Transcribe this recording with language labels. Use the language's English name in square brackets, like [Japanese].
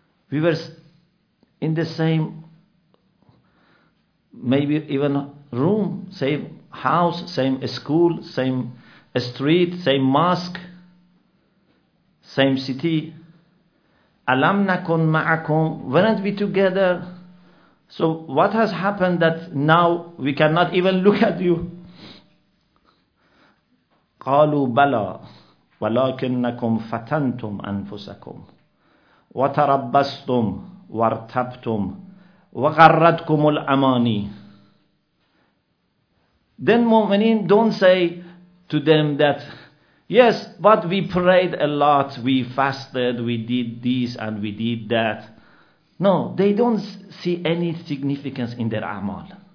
[English] We were in the same, maybe even room, same house, same school, same street, same mosque, same city. [Arabic] Alam nakun ma'akum, [English] weren't we together? So what has happened that now we cannot even look at you? [Arabic] قالوا بلى ولكنكم فتنتم أنفسكم وتربصتم وارتبتم وغرتكم الأماني. [English] Then Mu'mineen don't say to them that, yes, but we prayed a lot, we fasted, we did this and we did that. No, they don't see any significance in their amal.